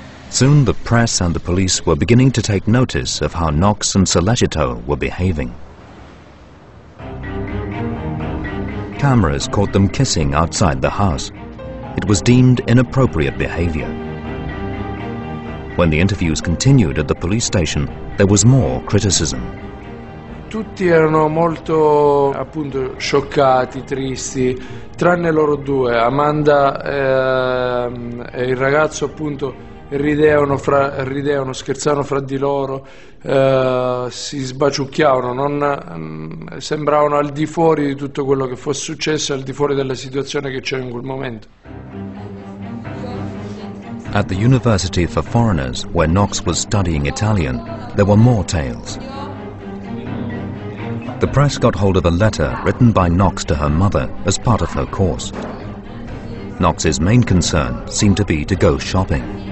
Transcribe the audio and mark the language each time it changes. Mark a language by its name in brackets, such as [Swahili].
[English] Soon the press and the police were beginning to take notice of how Knox and Sellagito were behaving. Cameras caught them kissing outside the house. It was deemed inappropriate behavior. When the interviews continued at the police station, there was more criticism. [Italian] Tutti erano molto, appunto, scioccati, tristi, tranne loro due, Amanda e il ragazzo, appunto. Ridevano, scherzavano fra di loro, si sbaciucchiavano, sembravano al di fuori di tutto quello che fosse successo, al di fuori della situazione che c'era in quel momento. [English] At the University for Foreigners, where Knox was studying Italian, there were more tales. The press got hold of a letter written by Knox to her mother as part of her course. Knox's main concern seemed to be to go shopping.